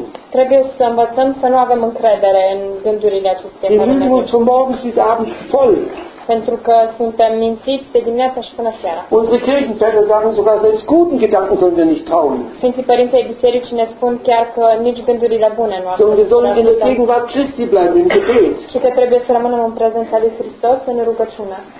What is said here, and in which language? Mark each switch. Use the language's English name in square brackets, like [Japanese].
[Romanian] Trebuie să învățăm să nu avem încredere în gândurile acestei pământ. Pentru că suntem mințiți de dimineața și până seara. [German] Unsere Kirchenväter sagen sogar, selbst guten Gedanken sollen wir nicht trauen. [Romanian] Sfinții părinții bisericii ne spun chiar că nici gândurile bune nu ar trebui. [German] Sollen wir in der Gegenwart Christi bleiben, im Gebet. [Romanian] Și că trebuie să rămânem în prezența lui Hristos, în rugăciune.